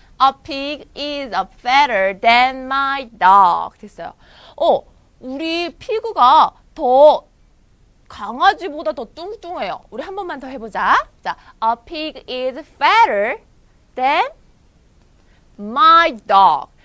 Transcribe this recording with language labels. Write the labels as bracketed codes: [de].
[en] A pig is a fatter than my dog. [ko] 됐어요. 우리 피그가 더 강아지보다 더 뚱뚱해요. 우리 한 번만 더 해보자. [en] 자, a pig is fatter than my dog.